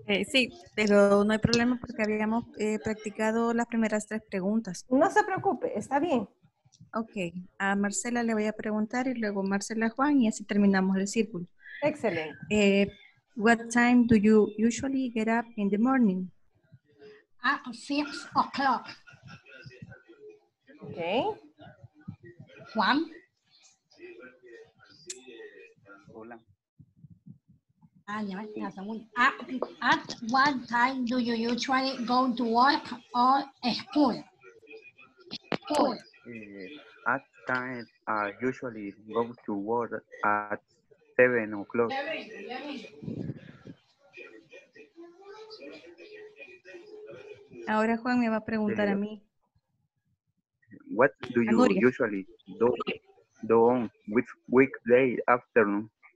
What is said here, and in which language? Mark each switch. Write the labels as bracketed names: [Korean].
[Spanish] Sí, pero no hay problema porque habíamos practicado las primeras tres preguntas. No se preocupe, está bien. Ok, a Marcela le voy a preguntar y luego Marcela a Juan y así terminamos el círculo. Excelente. [English] What time do you usually get up in the morning? At 6 o'clock. Ok. Juan. [Spanish] Hola. [English] At what time do you usually go to work or school? At time I usually go to work at 7 o'clock. [Spanish] Ahora Juan me va a preguntar a mí. [English] What do you usually do on which weekday afternoon?